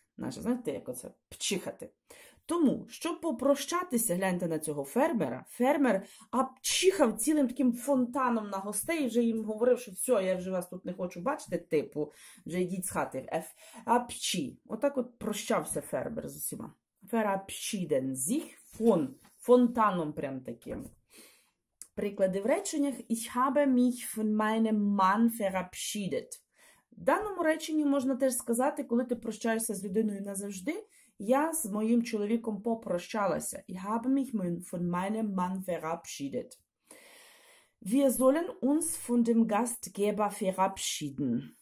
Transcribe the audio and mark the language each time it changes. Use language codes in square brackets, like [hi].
[uk] Наше, знаєте, як оце пчихати. Тому, щоб попрощатися, гляньте на цього фермера. Фермер апчихав цілим таким фонтаном на гостей, вже їм говорив, що все, я вже вас тут не хочу бачити, типу, вже йдіть з хати. Апчі. Отак от прощався фермер з усіма. [de] Verabschieden sich von. [uk] Фонтаном прям таким. Приклади в реченнях. [de] Ich habe mich von meinem Mann verabschiedet. [uk] В даному реченні можна теж сказати, коли ти прощаєшся з людиною назавжди, я з моїм чоловіком попрощалася. [de] Ich habe mich von meinem Mann verabschiedet. Wir sollen uns von dem Gastgeber verabschieden.